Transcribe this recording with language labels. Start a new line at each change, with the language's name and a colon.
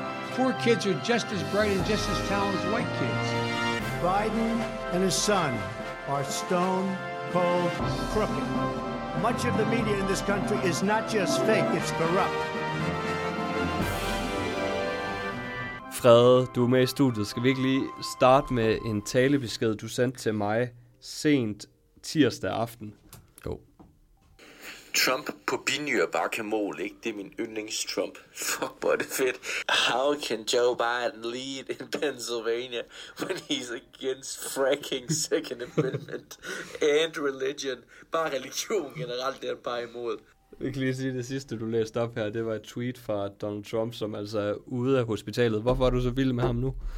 English: Poor kids are just as bright and just as talented as white kids. Biden and his son are stone cold crooked. Much of the media in this country is not just fake, it's corrupt.
Danish: Frede, du er med i studiet. Skal vi ikke lige starte med en talebesked, du sendte til mig sent tirsdag aften? Jo. Trump på binyr bare kan måle, ikke? Det er min yndlings Trump. Fuck, hvor er det fedt.
English: How can Joe Biden lead in Pennsylvania when he's against fracking Second Amendment and religion?
Danish: Bare religion generelt, det er bare imod. Jeg kan lige sige, det sidste, du læste op her, det var et tweet fra Donald Trump, som altså er ude af hospitalet. Hvorfor er du så vild med ham nu?